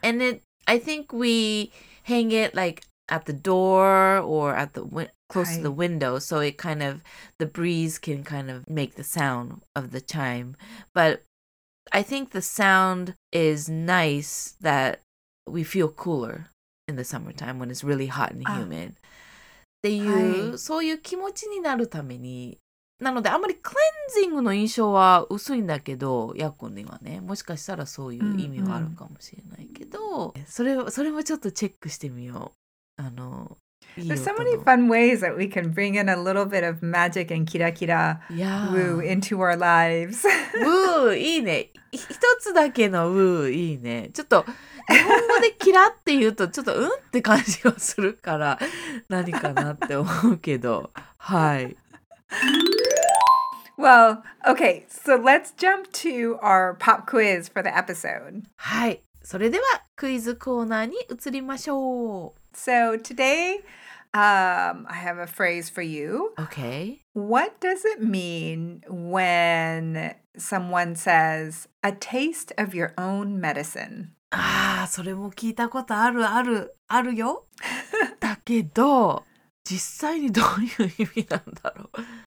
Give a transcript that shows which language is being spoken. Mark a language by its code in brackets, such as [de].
[en] And I think we hang it like at the door or at the close to the window, so it kind of, the breeze can kind of make the sound of the chime. But I think the sound is nice that we feel cooler in the summertime when it's really hot and humid. [ja] そういう気持ちになるためになので、あまりクレンジングの印象は薄いんだけど、ヤコにはね、もしかしたらそういう意味はあるかもしれないけど、それもちょっとチェックしてみよう。 [en] There's so many fun ways that we can bring in a little bit of magic and キラキラ woo into our lives. [ja] Woo, いいね。一つだけの woo, いいね。ちょっと日本語でキラって言うとちょっとうんって感じがするから何かなって思うけど、はい。 [en] Well, okay, so let's jump to our pop quiz for the episode. [ja] はい、それではクイズコーナーに移りましょう。 [en] So today, I have a phrase for you. Okay. What does it mean when someone says, a taste of your own medicine? [ja] Ah, それも聞いたことある、ある、あるよ。だけど、実際にどういう意味なんだろう。